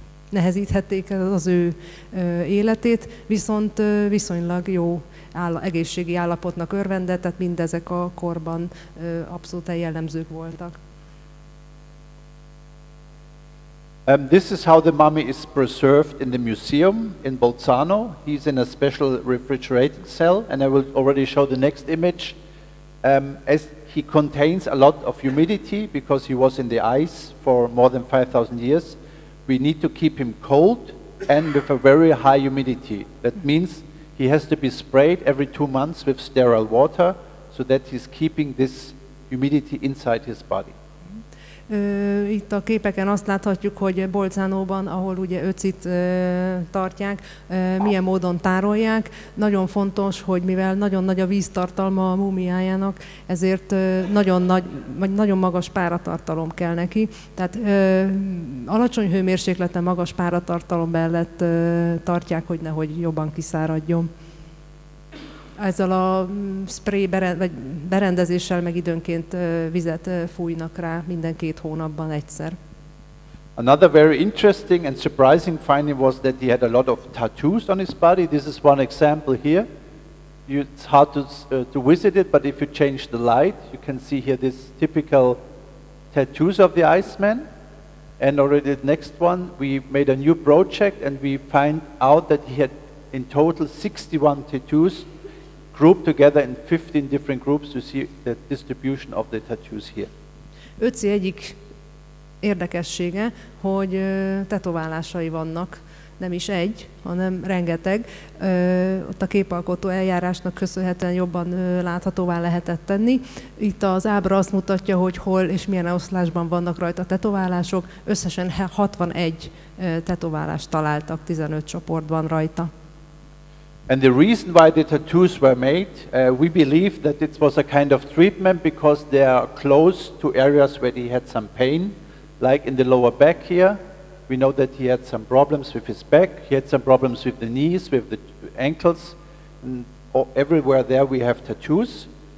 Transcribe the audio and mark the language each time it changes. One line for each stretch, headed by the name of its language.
Hungarian: nehezíthették az ő életét, viszont viszonylag jó egészségi állapotnak örvendett, tehát mindezek a korban abszolút jellemzők voltak.
English: This is how the mummy is preserved in the museum in Bolzano. He's in a special refrigerated cell, and I will already show the next image. As he contains a lot of humidity because he was in the ice for more than 5,000 years, we need to keep him cold and with a very high humidity. That means he has to be sprayed every 2 months with sterile water so that he's keeping this humidity inside his body.
Hungarian: Itt a képeken azt láthatjuk, hogy Bolzánóban, ahol ugye Öcit tartják, milyen módon tárolják. Nagyon fontos, hogy mivel nagyon nagy a víztartalma a múmiájának, ezért nagyon magas páratartalom kell neki. Tehát alacsony hőmérsékleten magas páratartalom mellett tartják, hogy nehogy jobban kiszáradjon. Ezzel a spray berendezéssel meg időnként vizet fújnak rá minden két hónapban egyszer.
English: Another very interesting and surprising finding was that he had a lot of tattoos on his body. This is one example here. It's hard to visit it, but if you change the light, you can see here this typical tattoos of the Iceman. And already the next one, we made a new project and we find out that he had in total 61 tattoos grouped together in 15 different groups. You see the distribution of the tattoos here.
Hungarian: Ötzi egyik érdekessége, hogy tetoválásai vannak, nem is egy, hanem rengeteg. Ott a képalkotó eljárásnak köszönhetően jobban láthatóvá lehetett tenni. Itt az ábra azt mutatja, hogy hol és milyen oszlásban vannak rajta tetoválások. Összesen 61 tetoválást találtak 15 csoportban rajta.
English: And the reason why the tattoos were made, we believe that it was a kind of treatment because they are close to areas where he had some pain, like in the lower back here. We know that he had some problems with his back, he had some problems with the knees, with the ankles, and everywhere there we have tattoos.